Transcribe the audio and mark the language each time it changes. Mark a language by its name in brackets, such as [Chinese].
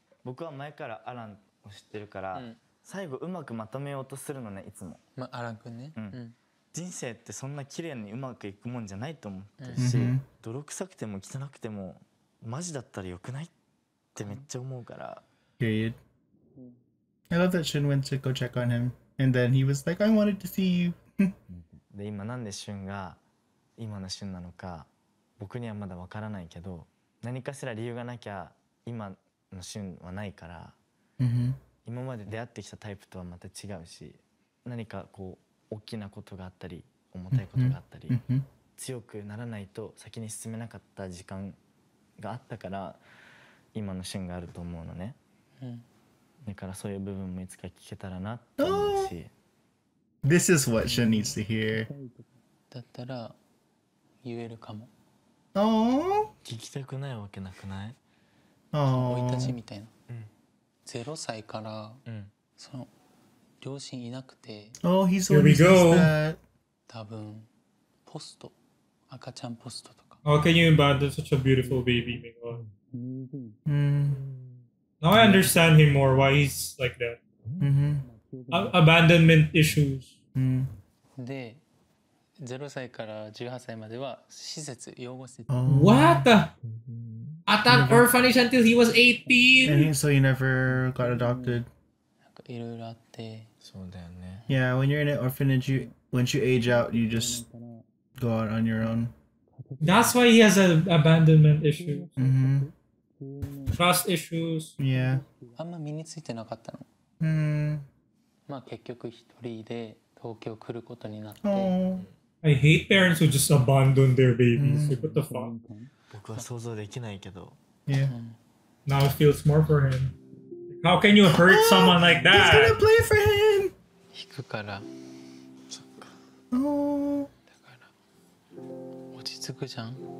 [Japanese] 僕は前からアランを知ってるから、最後うまくまとめようとするのねいつも。まアランくんね。うん。人生ってそんな綺麗にうまくいくもんじゃないと思ってるし、泥臭くても汚くてもマジだったら良くないってめっちゃ思うから。 [English] Period. I love that Shin went to go check on him. And then he was like, I wanted to see you. [Japanese] で今なんで旬が今の旬なのか僕にはまだ分からないけど何かしら理由がなきゃ今の旬はないから、 mm-hmm. 今まで出会ってきたタイプとはまた違うし何かこう大きなことがあったり重たいことがあったり、 mm-hmm. 強くならないと先に進めなかった時間があったから今の旬があると思うのね、 mm-hmm. だからそういう部分もいつか聞けたらなって思うし、oh! [English] This is what Shin needs to hear. [Japanese] だったら言えるかも。聞きたくないわけなくない。生い立ちみたいな。うん、ゼロ歳から、うん、その両親いなくて。 [English] Oh, he's always there. Here we go. [Japanese] 多分ポスト、赤ちゃんポストとか。 [English] How can you abandon such a beautiful baby? Mm-hmm. Now I understand him more. Why he's like that. Mm-hmm. Abandonment issues. [Japanese] で、0歳から18歳までは施設、養護施設。 [English] What? I thought orphanage until he was 18. And so you never got adopted. [Japanese] なんかいろいろあって。そうだよね。 [English] Yeah, when you're in an orphanage, once you age out, you just go out on your own. That's why he has an abandonment issue. Mm-hmm. Trust issues. Yeah. [Japanese] あんま身についてなかったの。まあ結局一人で東京来ることになって、 [English] I hate parents who just abandon their babies. Mm. What the fuck? [Japanese] 僕は想像できないけど。 [English] Yeah. Now it feels more for him. How can you hurt someone like that? He's gonna play for him. [Japanese] 引くから。そっか。だから落ち着くじゃん。